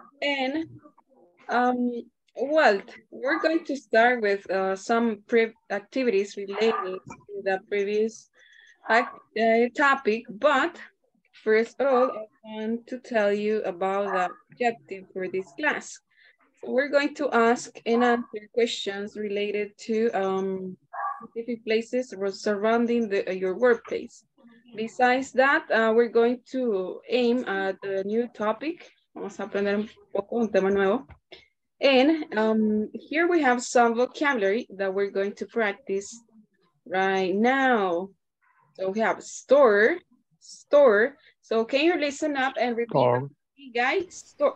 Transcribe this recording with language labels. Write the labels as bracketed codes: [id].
[en] And we're going to start with some activities related to the previous topic, but first of all, I want to tell you about the objective for this class. So we're going to ask and answer questions related to specific places surrounding your workplace. Besides that, we're going to aim at the new topic. [es] Vamos a aprender un poco un tema nuevo. [en] And here we have some vocabulary that we're going to practice right now. So we have store. So can you listen up and repeat, guys?